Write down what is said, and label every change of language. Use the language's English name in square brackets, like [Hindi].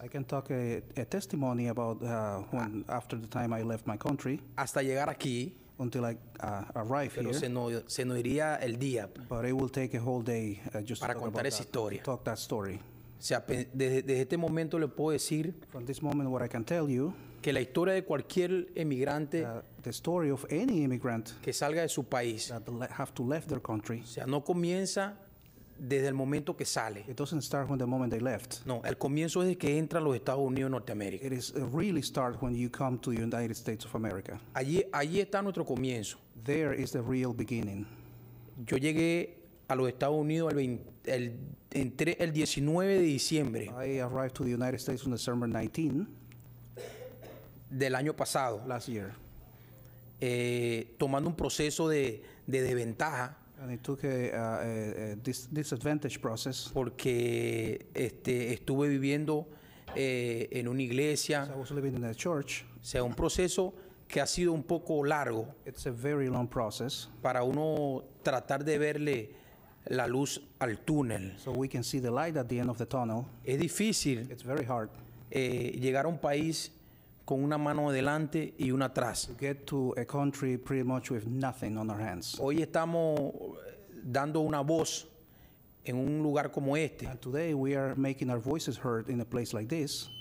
[English] I can talk a testimony about when after the time I left my country. [Spanish] Hasta llegar aquí. [English] Until I arrive [Spanish] pero [English] here. [Spanish] Se no iría el día. [English] But it will take a whole day just [Spanish] para [English] to talk [Spanish] contar esa [English] that, [Spanish] historia. [English] Talk that story. [Spanish] O sea, desde este momento le puedo decir. [English] From this moment, what I can tell you. [Spanish] Que la historia de cualquier emigrante. [English] The story of any immigrant [Spanish] que salga de su país, [English] that have to leave their country. [Spanish] O sea, no comienza desde el momento que sale. [English] It doesn't start when the moment they left. [Spanish] No, el comienzo es de que entra a los Estados Unidos de Norteamérica. [English] It is really start when you come to the United States of America. [Spanish] Allí está nuestro comienzo. [English] There is the real beginning. [Spanish] Yo llegué a los Estados Unidos el 19 de diciembre. [English] I arrived to the United States on December 19. [Spanish] Del año pasado. [English] Last year. [Spanish] Tomando un proceso de desventaja. [English] And it took a disadvantage process. [Spanish] Porque estuve viviendo en una iglesia. [English] So I was living in a church. [Spanish] O sea, un proceso que ha sido un poco largo. [English] It's a very long process. [Spanish] Para uno tratar de verle la luz al túnel. [English] So we can see the light at the end of the tunnel. [Spanish] Es difícil. [English] It's very hard. [Spanish] Llegar a un país con una mano adelante y una atrás. [English] To get to a country pretty much with nothing on our hands. [Spanish] Hoy estamos dando una voz en un lugar como este. [English] And today we are making our voices heard in a place like this.